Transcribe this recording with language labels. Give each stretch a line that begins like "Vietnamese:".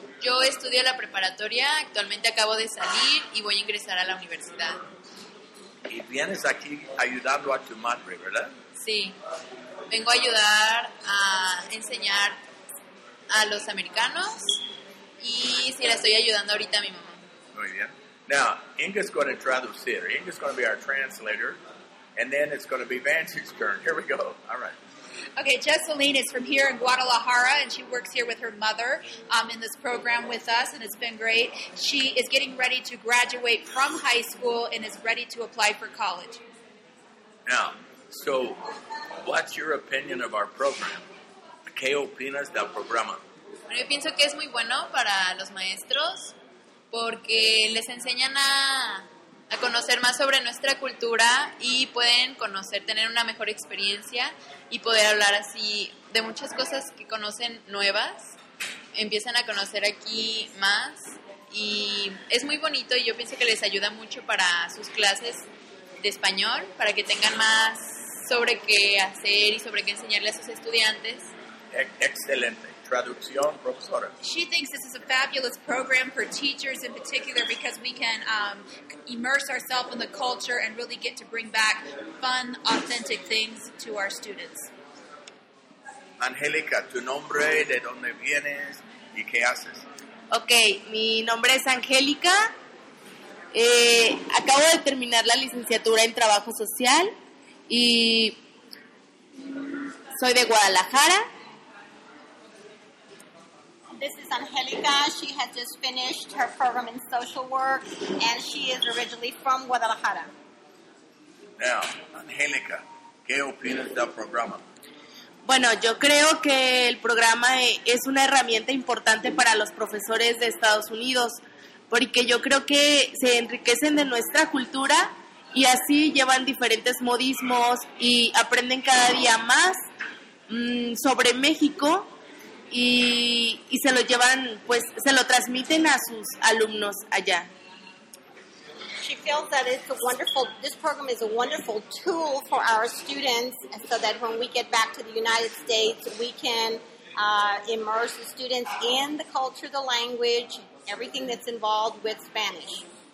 Spanish: Yo estudio la preparatoria, actualmente acabo de salir y voy a ingresar a la universidad. Y vienes aquí ayudando a tu madre, ¿verdad? Sí, vengo a ayudar a enseñar a los americanos y sí, la estoy ayudando ahorita a mi mamá.
English: Muy bien. Now, Inga's going to traducir. Inga's going to be our translator, and then it's going to be Vance's turn. Here we go. All right. Okay, Jessaline is from here in Guadalajara, and she works here with her mother in this program with us, and it's been great. She is getting ready to graduate from high school and is ready to apply for college. Now, so what's your opinion of our program?
Spanish: ¿Qué opinas del programa? Bueno, yo pienso que es muy bueno para los maestros porque les enseñan a conocer más sobre nuestra cultura y pueden conocer, tener una mejor experiencia y poder hablar así de muchas cosas que conocen nuevas. Empiezan a conocer aquí más y es muy bonito y yo pienso que les ayuda mucho para sus clases de español, para que tengan más sobre qué hacer y sobre qué enseñarle a sus estudiantes. Excelente. traducción, profesora.
English: She thinks this is a fabulous program for teachers in particular because we can immerse ourselves in the culture and really get to bring back fun, authentic things to our students.
Spanish: Angélica, tu nombre, de dónde vienes y qué haces? Okay, mi nombre es Angélica. Acabo de terminar la licenciatura en trabajo social y soy de Guadalajara.
English: This is Angélica. She has just finished her program in social work and she is originally from Guadalajara.
Spanish: Now, Angélica, ¿qué opinas del programa? Bueno, yo creo que el programa es una herramienta importante para los profesores de Estados Unidos, porque yo creo que se enriquecen de nuestra cultura y así llevan diferentes modismos y aprenden cada día más sobre México y se lo llevan, pues se lo transmiten a sus alumnos allá.
English: She feels that it's a wonderful, this program is a wonderful tool for our students so that when we get back to the United States, we can immerse the students in the culture, the language, everything that's involved with Spanish.